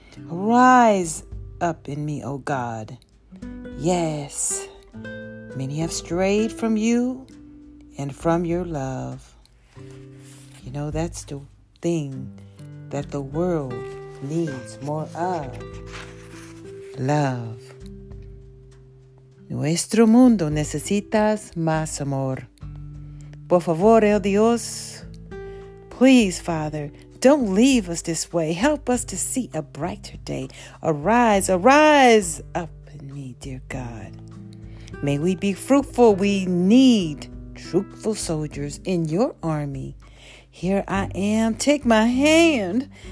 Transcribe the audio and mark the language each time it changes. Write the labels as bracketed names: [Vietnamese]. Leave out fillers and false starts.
[English] Arise up in me, O God. Yes, many have strayed from you and from your love. You know, that's the thing that the world needs more of. Love. [Spanish] Nuestro mundo necesitas más amor. Por favor, oh Dios. [English] Please, Father, don't leave us this way. Help us to see a brighter day. Arise, arise up in me, dear God. May we be fruitful. We need truthful soldiers in your army. Here I am, take my hand,